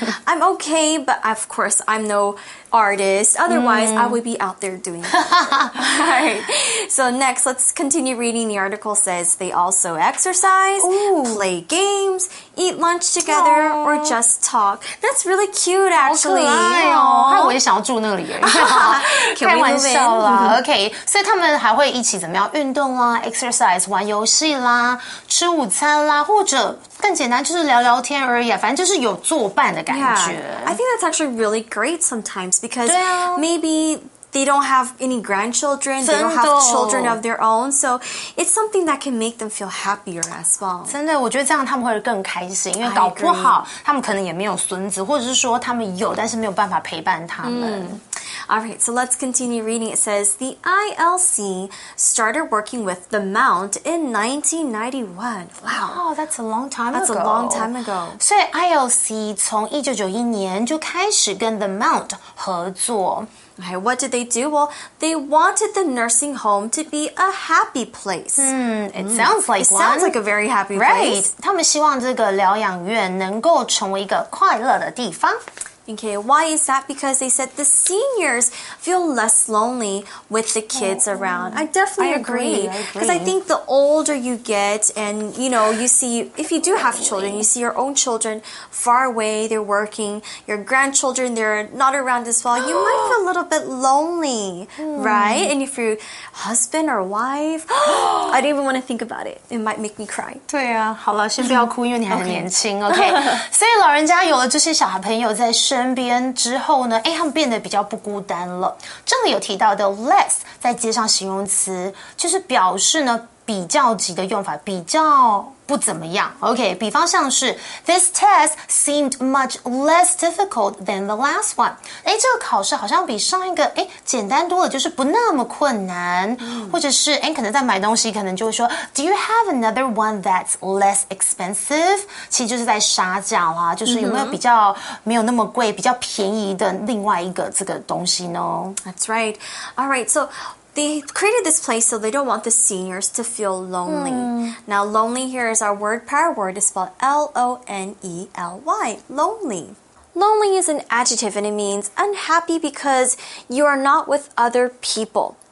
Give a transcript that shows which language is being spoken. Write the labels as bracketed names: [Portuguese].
[English] I'm okay but of course I'm no artist otherwise、I would be out there doing that. Right. So next let's continue reading. The article says they also exercise、play games, eat lunch together、or just talk. That's really cute actually. [Chinese] 好可爱哦，我也想要住那里耶。开玩笑啦。 OK， 所以他们还会一起怎么样运动啦， exercise 玩游戏啦，吃午餐啦，或者更简单就是聊聊天而已，反正就是有作伴的感觉。 [English] I think that's actually really great sometimes because、maybe they don't have any grandchildren, they don't have children of their own, so it's something that can make them feel happier as well. [Chinese] 真的，我觉得这样他们会更开心，因为搞不好他们可能也没有孙子，或者是说他们有但是没有办法陪伴他们。 [English] Alright, so let's continue reading. It says, the ILC started working with the Mount in 1991. Wow, that's a long time ago. That's a long time ago. [Chinese] 所以 ILC 从1991年就开始跟 the Mount 合作。 [English] Okay, what did they do? Well, they wanted the nursing home to be a happy place. It sounds like one. It sounds like a very happy place. Right. [Chinese] 他们希望这个疗养院能够成为一个快乐的地方。 [English] Okay, why is that? Because they said the seniors feel less lonely with the kids around. I definitely agree. Because I think the older you get and, you know, you see, if you do have children, you see your own children far away, they're working, your grandchildren, they're not around as well, you might feel a little bit lonely, right? And if you're husband or wife, I don't even want to think about it. It might make me cry. [Chinese] 对啊，好了，先不要哭，因为你还年轻， OK. 所以老人家有了这些小朋友在身边之后呢，哎，他们变得比较不孤单了。这里有提到的 less 在接上形容词，就是表示呢比较级的用法，比较不怎么样。 [English] OK， [Chinese] 比方像是 [English] This test seemed much less difficult than the last one。 [Chinese] 哎，这个考试好像比上一个哎简单多了，就是不那么困难、或者是哎，可能在买东西可能就会说 [English] Do you have another one that's less expensive？ [Chinese] 其实就是在杀价啦，就是有没有比较没有那么贵比较便宜的另外一个这个东西呢？ [English] That's right. Alright, soThey created this place so they don't want the seniors to feel lonely. Now, lonely here is our word, pair word is spelled L-O-N-E-L-Y, lonely. Lonely is an adjective and it means unhappy because you are not with other people.